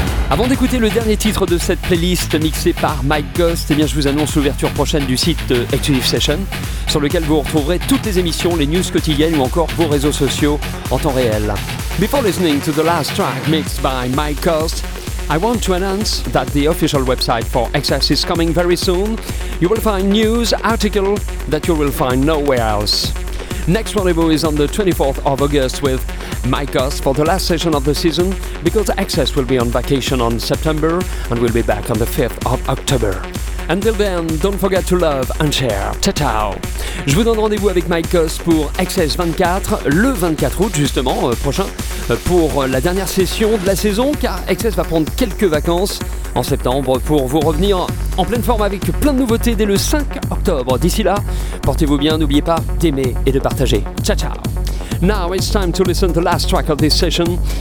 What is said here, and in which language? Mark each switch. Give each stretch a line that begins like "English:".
French: Avant d'écouter le dernier titre de cette playlist mixée par Mike Ghost, eh bien je vous annonce l'ouverture prochaine du site Exclusive Session, sur lequel vous retrouverez toutes les émissions, les news quotidiennes ou encore vos réseaux sociaux en temps réel.
English: Before listening to the last track mixed by Mike Ghost, I want to announce that the official website for Excess is coming very soon. You will find news, articles that you will find nowhere else. Next rendezvous is on the 24th of August with Mike Ghost for the last session of the season, because Excess will be on vacation on September and we'll be back on the 5th of October. Until then, don't forget to love and share.
Italian: Ciao, ciao.
French: Je vous donne rendez-vous avec Mike Ghost pour Excess 24, le 24 août justement, prochain, pour la dernière session de la saison, car Excess va prendre quelques vacances en septembre pour vous revenir en pleine forme avec plein de nouveautés dès le 5 octobre. D'ici là, portez-vous bien, n'oubliez pas d'aimer et de partager.
Italian: Ciao, ciao.
English: Now it's time to listen to the last track of this session.